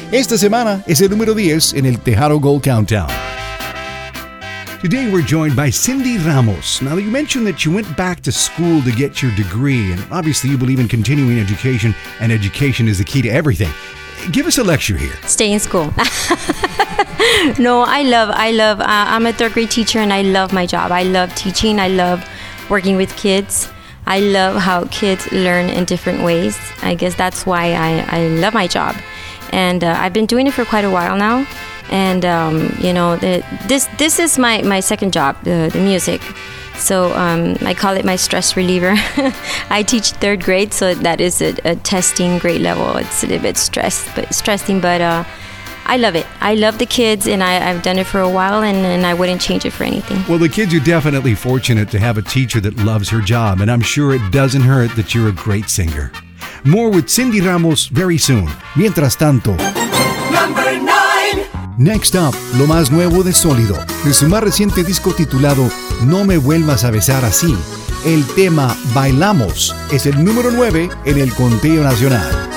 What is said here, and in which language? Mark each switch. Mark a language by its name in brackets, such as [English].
[Spanish] Esta semana es el número 10 en el Tejano Gold Countdown. [English] Today we're joined by Cindy Ramos. Now you mentioned that you went back to school to get your degree, and obviously you believe in continuing education, and education is the key to everything. Give us a lecture here. Stay in school. No, I love, I'm a third grade teacher and I love my job. I love teaching, I love working with kids. I love how kids learn in different ways. I guess that's why I love my job. And I've been doing it for quite a while now. And, you know, this is my second job, the music. So I call it my stress reliever. I teach third grade, so that is a testing grade level. It's a little bit stressing, but I love it. I love the kids, and I've done it for a while, and I wouldn't change it for anything. Well, the kids are definitely fortunate to have a teacher that loves her job, and I'm sure it doesn't hurt that you're a great singer. More with Cindy Ramos very soon. [Spanish] Mientras tanto. [English] Number 9. Next up, [Spanish] lo más nuevo de Sólido, de su más reciente disco titulado No me vuelvas a besar así. El tema Bailamos es el número 9 en el conteo nacional.